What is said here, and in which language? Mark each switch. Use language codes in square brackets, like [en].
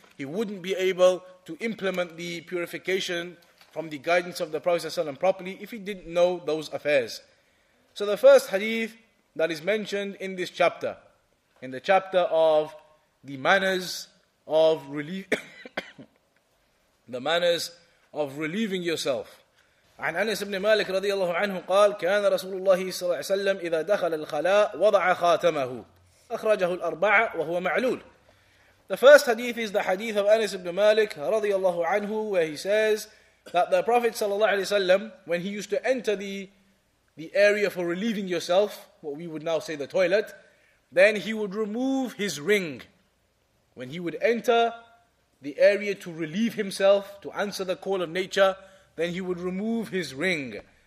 [en] He wouldn't be able to implement the purification from the guidance of the Prophet ﷺ properly if he didn't know those affairs. So the first hadith that is mentioned in this chapter, in the chapter of the manners of relieving yourself. [ar] عن أنس بن مالك رضي الله عنه قال كان رسول الله صلى الله عليه وسلم إذا دخل الخلاء وضع خاتمه أخرجه الأربعة وهو معلول. [en] The first hadith is the hadith of Anas ibn Malik radiyallahu anhu, where he says that the Prophet sallallahu alaihi wasallam, when he used to enter the area for relieving yourself, what we would now say the toilet, then he would remove his ring. When he would enter the area to relieve himself, to answer the call of nature, then he would remove his ring.